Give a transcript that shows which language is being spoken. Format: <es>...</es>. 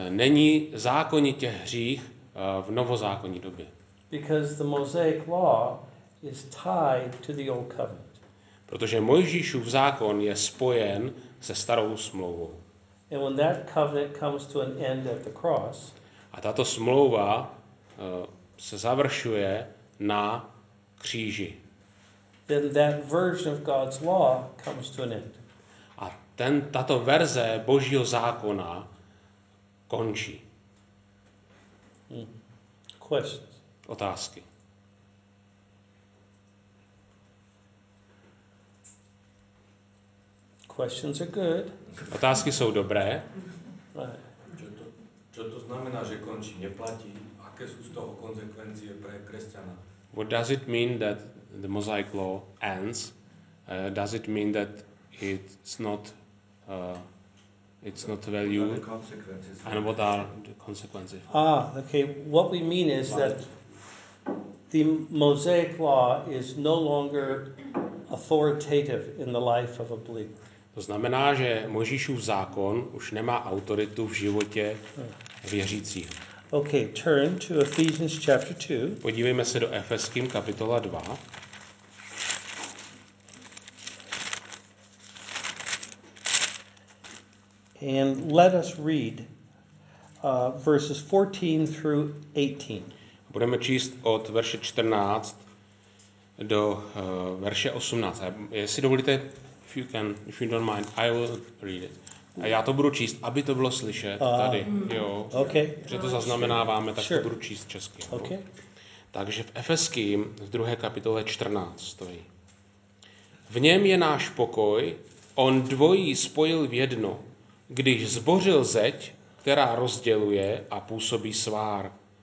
<cs>Není zákonitě hřích v novozákonní době.</cs> <en>Because the Mosaic law is tied to the old covenant.</en> <cs>Protože Mojžíšův zákon je spojen se starou smlouvou.</cs> <en>And when that covenant comes to an end at the cross.</en> <cs>A tato smlouva se završuje na kříži.</cs> <en>Then that version of God's law comes to an end.</en> <cs>A tato verze Božího zákona končí.</cs> <en>Questions.</en> <cs>Otázky.</cs> <en>Questions are good.</en> <cs>Otázky jsou dobré. Co to znamená, že končí, neplatí? Aké jsou z toho konsekvence pro křesťana?</cs> <en>What does it mean that the Mosaic law ends? Does it mean that it's not valued? And what are the consequences? Okay. What we mean is that The Mosaic law is no longer authoritative in the life of a believer.</en> <cs>To znamená, že Mojžíšův zákon už nemá autoritu v životě věřícího.</cs> <en>Okay, turn to Ephesians chapter 2.</en> <cs>Podívejme se do Efeským kapitola 2.</cs> <en>And let us read verses 14 through 18.</en> <cs>Budeme číst od verše 14 do verše 18. Jestli dovolíte,</cs> <en>if you can, if you don't mind, I will read it.</en> <cs>A já to budu číst, aby to bylo slyšet tady, jo.</cs> <en>Okay.</en> <cs>Že to zaznamenáváme, tak sure. To budu číst česky.</cs> <en>Okay.</en> <cs>Takže v Efeským v 2. kapitole 14 stojí. V něm je náš pokoj, on dvojí spojil v jedno, když zbořil zeď, která rozděluje a působí svár.</cs>